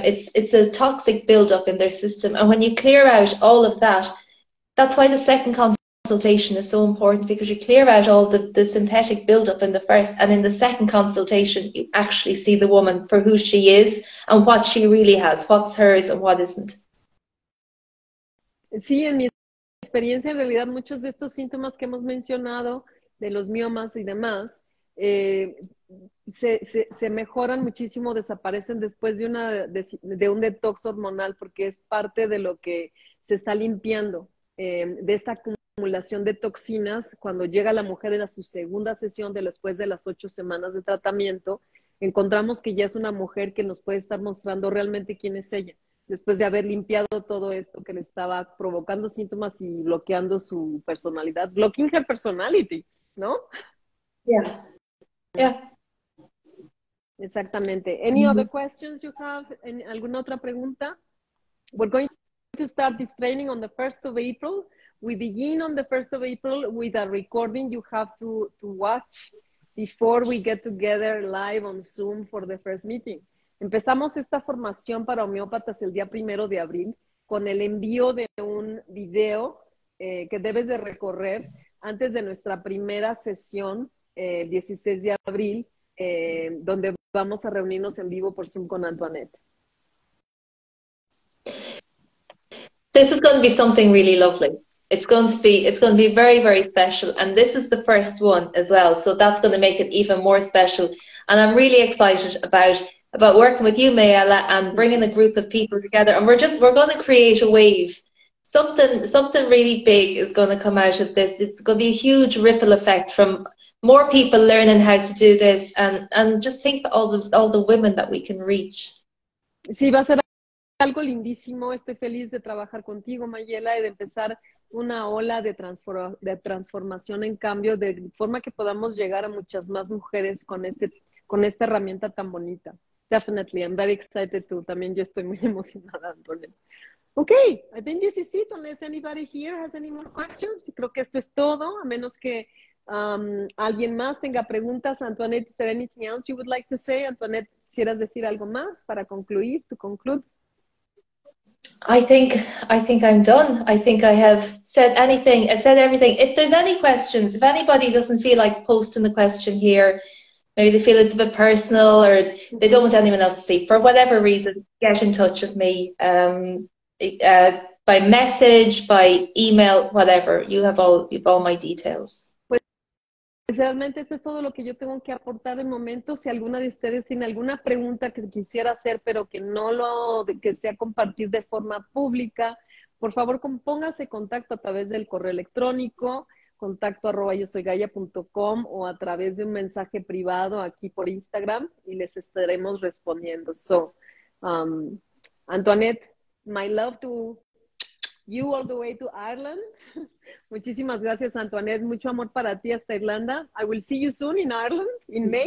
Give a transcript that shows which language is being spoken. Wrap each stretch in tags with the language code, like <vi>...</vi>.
<en>It's a toxic buildup in their system. And when you clear out all of that, that's why the second consultation is so important, because you clear out all the synthetic buildup in the first, and in the second consultation, you actually see the woman for who she is and what she really has, what's hers and what isn't.</en> <es>Sí, en mi experiencia, en realidad, muchos de estos síntomas que hemos mencionado, de los miomas y demás, se mejoran muchísimo, desaparecen después de un detox hormonal, porque es parte de lo que se está limpiando, de esta acumulación de toxinas. Cuando llega la mujer a su segunda sesión, después de las 8 semanas de tratamiento, encontramos que ya es una mujer que nos puede estar mostrando realmente quién es ella, después de haber limpiado todo esto que le estaba provocando síntomas y bloqueando su personalidad,</es> <en>blocking her personality,</en> <es>¿no?</es> <en>Yeah.</en> <es>Exactamente.</es> <en>Any other questions you have?</en> <es>¿Alguna otra pregunta?</es> <en>We're going to start this training on the 1st of April. We begin on the 1st of April with a recording you have to watch before we get together live on Zoom for the first meeting.</en> <es>Empezamos esta formación para homeópatas el día 1 de abril con el envío de un video que debes de recorrer antes de nuestra primera sesión el 16 de abril, donde vamos a reunirnos en vivo por Zoom con Antoinette.</es> <en>This is going to be something really lovely. It's going to be very, very special. And this is the first one as well. So that's going to make it even more special. And I'm really excited about working with you, Mayela, and bringing a group of people together. And we're going to create a wave. Something really big is going to come out of this. It's going to be a huge ripple effect from more people learning how to do this. And just think of all the women that we can reach.</en> <es>Sí, va a ser algo lindísimo. Estoy feliz de trabajar contigo, Mayela, y de empezar una ola de transformación en cambio, de forma que podamos llegar a muchas más mujeres con esta herramienta tan bonita.</es> <en>Definitely, I'm very excited too.</en> <es>También yo estoy muy emocionada,</es> <en>Antonio. Okay, I think this is it, unless anybody here has any more questions.</en> <es>Creo que esto es todo, a menos que alguien más tenga preguntas.</es> <en>Antoinette, is there anything else you would like to say?</en> <es>Antoinette, ¿quisieras decir algo más para concluir,</es> <en>to conclude? I think I'm done. I think I have said anything, I said everything. If there's any questions, if anybody doesn't feel like posting the question here, maybe they feel it's a bit personal or they don't want anyone else to see, for whatever reason, get in touch with me. By message, by email, whatever. You have all my details.</en> <es>Pues realmente esto es todo lo que yo tengo que aportar en momento. Si alguna de ustedes tiene alguna pregunta que quisiera hacer, pero que no lo, que sea compartir de forma pública, por favor, póngase contacto a través del correo electrónico, contacto@yosoygaya.com, o a través de un mensaje privado aquí por Instagram, y les estaremos respondiendo.</es> <en>So, Antoinette, my love to you all the way to Ireland.</en> <es>Muchísimas gracias, Antoinette. Mucho amor para ti hasta Irlanda.</es> <en>I will see you soon in Ireland, in May.</en>